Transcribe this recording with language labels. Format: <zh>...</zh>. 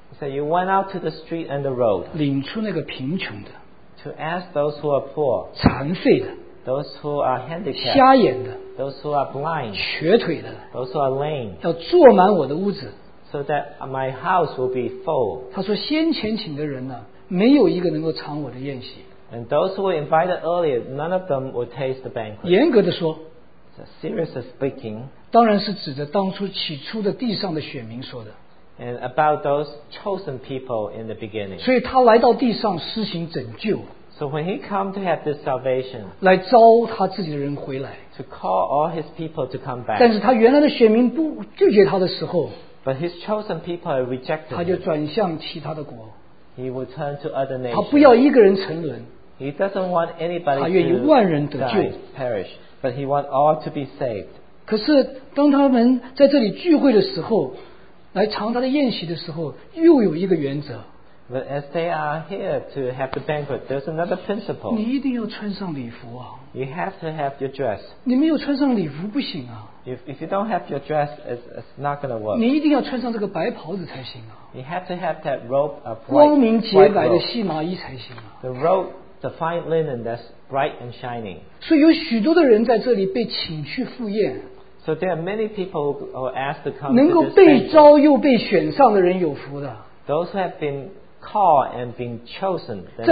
<en>he said you went out to the street and the road,</en> <zh>领出那个贫穷的,</zh> <en>to ask those who are poor,</en> <zh>残废的,</zh> <en>those who are handicapped,</en> <zh>瞎眼的,</zh> <en>those who are blind,</en> <zh>瘸腿的,</zh> <en>those who are lame,</en> <zh>要坐满我的屋子,</zh> <en>so that my house will be full.</en> <zh>他说先前请的人呢, 没有一个能够尝我的宴席,</zh> <en>and those who were invited earlier, none of them would taste the banquet.</en> <zh>严格地说,</zh> <en>so seriously speaking,</en> <zh>当然是指着当初起初的地上的选民说的,</zh> <en>and about those chosen people in the beginning.</en> <zh>所以他来到地上施行拯救,</zh> <en>so when he came to have this salvation,</en> <zh>来招他自己的人回来,</zh> <en>to call all his people to come back.</en> <zh>但是他原来的选民不拒绝他的时候,</zh> <en>but his chosen people had rejected him.</en> <zh>他就转向其他的国,</zh> <en>he would turn to other nations.</en> <zh>他不要一个人沉沦,</zh> <en>he doesn't want anybody to die, perish, but he wants all to be saved.</en> <zh>可是当他们在这里聚会的时候, 来尝他的宴席的时候, 又有一个原则,</zh> <en>But as they are here to have the banquet, there's another principle.</en> <zh>你一定要穿上礼服啊。</zh> <en>You have to have your dress.</en> <zh>你没有穿上礼服不行啊。</zh> <en>If you don't have your dress, it's not going to work.</en> <zh>你一定要穿上这个白袍子才行啊。</zh> <en>You have to have that robe of white.</en> <zh>光明洁白的细麻衣才行啊。</zh> <en>The robe, the fine linen that's bright and shining.</en> <zh>所以有许多的人在这里被请去赴宴。</zh> <en>So there are many people who are asked to come.</en> <zh>能够被招又被选上的人有福的。</zh> <en>Those who have been called and been chosen.</en>